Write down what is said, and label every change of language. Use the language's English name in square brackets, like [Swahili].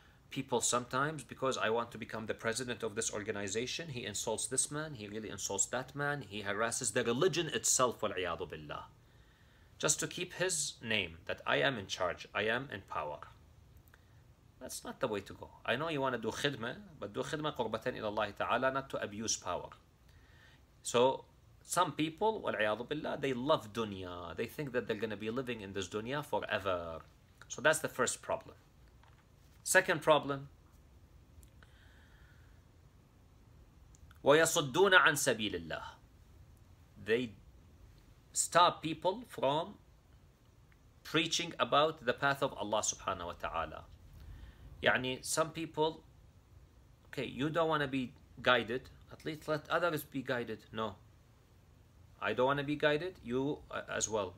[English] People sometimes, because I want to become the president of this organization, he insults this man, he really insults that man, he harasses the religion itself, [Arabic] wal-iyadu billah, [English] just to keep his name, that I am in charge, I am in power. That's not the way to go. I know you want to do khidmah, but do khidmah [Arabic] qurbatan ila Allah ta'ala, [English] not to abuse power. So some people, [Arabic] wal-iyadu billah, [English] they love dunya. They think that they're going to be living in this dunya forever. So that's the first problem. Second problem, [Arabic] وَيَصُدُّونَ عَن سَبِيلِ اللَّهِ. [English] They stop people from preaching about the path of Allah subhanahu wa ta'ala. يعني some people, okay, you don't want to be guided, at least let others be guided. No, I don't want to be guided, you as well.